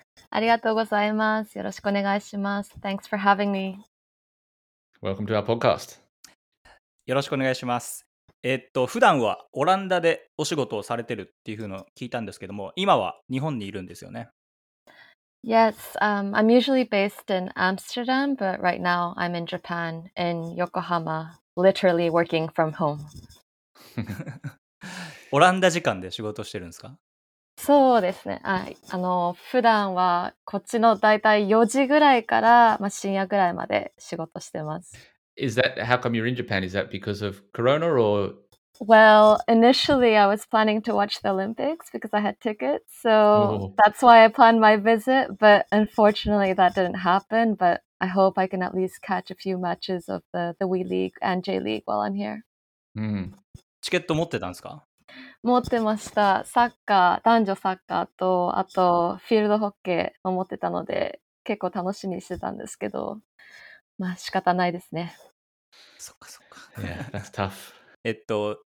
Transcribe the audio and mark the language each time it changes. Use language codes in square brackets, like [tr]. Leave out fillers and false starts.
[ja] ありがとうございます。よろしくお願いします。 [en] Thanks for having me. Welcome to our podcast. [ja] よろしくお願いします。普段はオランダでお仕事をされてるっていうふうに聞いたんですけども、今は日本にいるんですよね。 [en] Yes, I'm usually based in Amsterdam, but right now I'm in Japan, in Yokohama, literally working from home. [ja] オランダ時間で仕事してるんですか？そうですね。普段はこっちのだいたい4時ぐらいから、まあ、深夜ぐらいまで仕事してます。 [en] Is that how come you're in Japan? Is that because of Corona or? Well, initially I was planning to watch the Olympics because I had tickets. So that's why I planned my visit. But unfortunately that didn't happen. But I hope I can at least catch a few matches of the WEリーグ and J-League while I'm here. [ja] チケット持ってたんですか？持ってました。サッカー、男女サッカーとあとフィールドホッケーも持ってたので結構楽しみにしてたんですけど。まあ仕方ないですね。そっかそっか。 [en] Yeah, that's tough.